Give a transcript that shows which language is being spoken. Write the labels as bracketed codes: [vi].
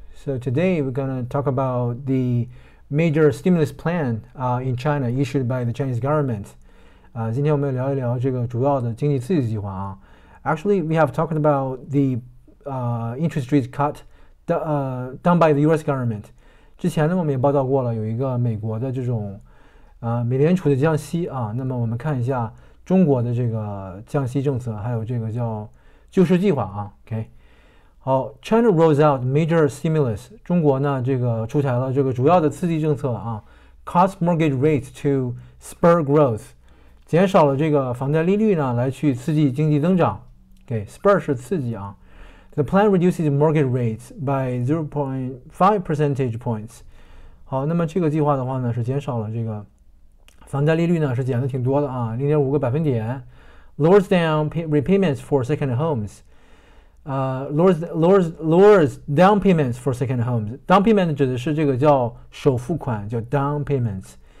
[en] So today we're going to talk about the major stimulus plan in China issued by the Chinese government. [zh] 今天我们聊一聊这个主要的经济刺激计划啊。 [en] Actually, we have talked about the interest rate cut done by the US government. [zh] 之前呢我们也报道过了有一个美国的这种美联储的降息啊。那么我们看一下中国的这个降息政策还有这个叫救市计划啊。 [en] Okay. 好 ，China rolls out major stimulus. [zh] 中国呢，这个出台了这个主要的刺激政策啊 ， [en] cut mortgage rates to spur growth， [zh] 减少了这个房贷利率呢，来去刺激经济增长。给、okay, spur 是刺激啊。 [en] The plan reduces mortgage rates by 0.5 percentage points. [zh] 好，那么这个计划的话呢，是减少了这个房贷利率呢，是减的挺多的啊， 0.5 个百分点。 [en] Lowers down repayments for second homes. Lowers down payments for second homes. [zh] Down payment 指的是这个叫首付款，叫 down payments.